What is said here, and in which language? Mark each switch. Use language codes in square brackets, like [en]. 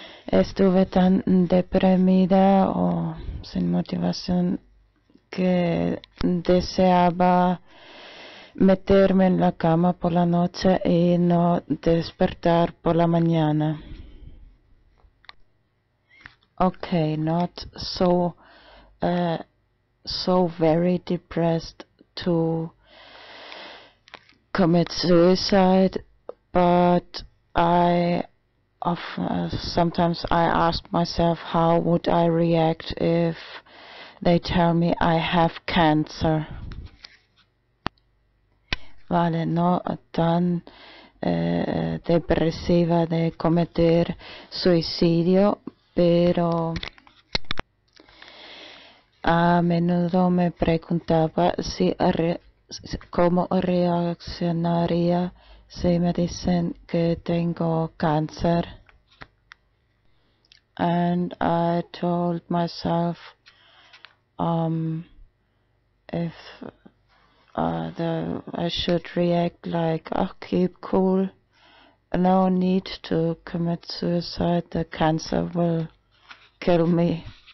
[es] Estuve tan deprimida o sin motivación que deseaba meterme en la cama por la noche y no despertar por la mañana. [en] Okay, not so so very depressed to commit suicide, but I sometimes I ask myself, how would I react if they tell me I have cancer? [es] Vale, no tan depresiva de cometer suicidio, pero a menudo me preguntaba si cómo reaccionaría si me dicen que tengo cáncer. [en] And I told myself, if I should react like, oh, keep cool, no need to commit suicide, the cancer will kill me.